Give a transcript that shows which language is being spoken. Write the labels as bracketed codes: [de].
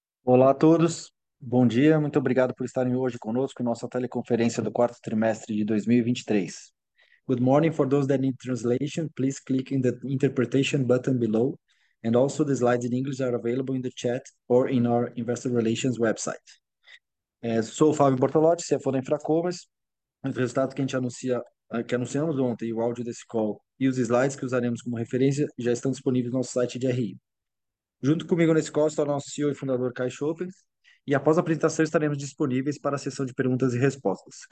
[pt] Olá a todos, bom dia, muito obrigado por estarem hoje conosco em nossa teleconferência do quarto trimestre de 2023. [en] Good morning for those that need translation, please click in the interpretation button below, and also the slides in English are available in the chat or in our investor relations website. [pt] Sou o Fábio Bortolotti, CFO da Infracommerce. Os resultados que a gente anuncia, que anunciamos ontem, o áudio desse call e os slides que usaremos como referência já estão disponíveis no nosso site de RI. Junto comigo nesse call está o nosso CEO e fundador, Kai Schopens, e após a apresentação estaremos disponíveis para a sessão de perguntas e respostas.